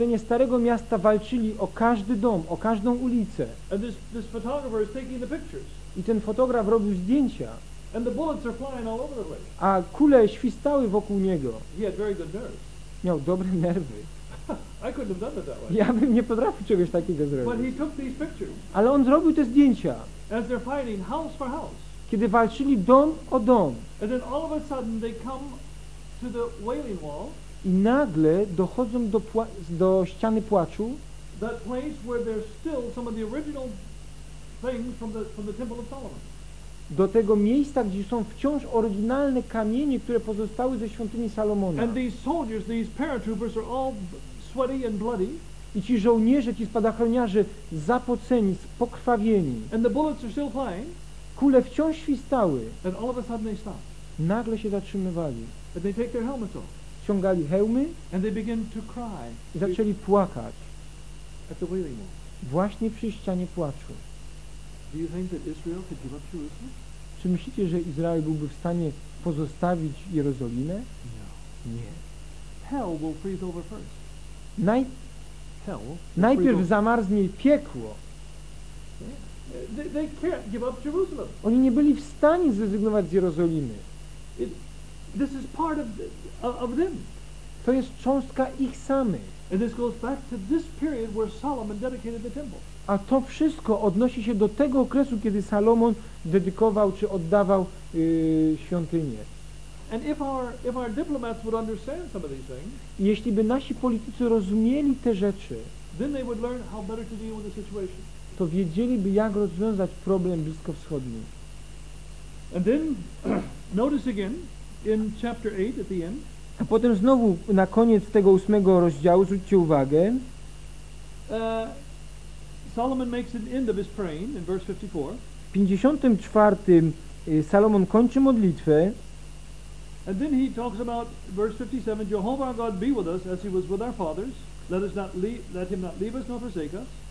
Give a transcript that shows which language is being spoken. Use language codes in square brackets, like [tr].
[pl] Więc starego miasta walczyli o każdy dom, o każdą ulicę. [en] And this photographer is taking the pictures. [pl] I ten fotograf robił zdjęcia. [en] And the bullets are flying all over the place. [pl] A kule świstały wokół niego. [en] He had very good nerves. [pl] Miał dobre nerwy. [en] I couldn't have done it that way. [pl] Ja bym nie potrafił czegoś takiego zrobić. [en] But he took these pictures. [pl] Ale on zrobił te zdjęcia. [en] As they're fighting house for house. [pl] Kiedy walczyli dom o dom. [en] And then all of a sudden they come to the wailing wall. [pl] I nagle dochodzą do ściany płaczu. [en] That place where there's still some of the original things from the Temple of Solomon. [pl] Do tego miejsca, gdzie są wciąż oryginalne kamienie, które pozostały ze świątyni Salomona. [en] And these soldiers, these paratroopers are all sweaty and bloody. [pl] I ci żołnierze, ci spadochroniarze zapoceni, pokrwawieni. [en] And the bullets are still flying. [pl] Kule wciąż świstały. [en] And all of a sudden they stop. [pl] Nagle się zatrzymywali. [en] And they take their helmets off. [pl] Ściągali hełmy. [en] And they begin to cry. [pl] I zaczęli płakać. [en] At the wailing wall. [pl] Właśnie przy ścianie płaczu. [en] Do you think that Israel could give up Jerusalem? [pl] Czy myślicie, że Izrael byłby w stanie pozostawić Jerozolimę? [en] No. [pl] Nie. [en] Hell will freeze over first. [pl] Najpierw zamarznie piekło. [en] They can't give up Jerusalem. [pl] Oni nie byli w stanie zrezygnować z Jerozolimy. [en] This is part of them. [pl] To jest cząstka ich samych. [en] And this goes back to this period where Solomon dedicated the temple. [pl] A to wszystko odnosi się do tego okresu, kiedy Salomon dedykował czy oddawał świątynię. [en] And if our diplomats would understand some of these things, [pl] jeśli by nasi politycy rozumieli te rzeczy, [en] then they would learn how better to deal with the situation. [pl] To wiedzieliby, jak rozwiązać problem bliskowschodni. [en] And then notice again in chapter 8 at the end. [pl] A potem znowu na koniec tego ósmego rozdziału zwróćcie uwagę. [en] Solomon makes an end of his praying in verse 54. [pl] W 54 Salomon kończy modlitwę. [en] And then he talks about verse 57, Jehovah our God be with us as he was with our fathers. Let him not leave us nor forsake us.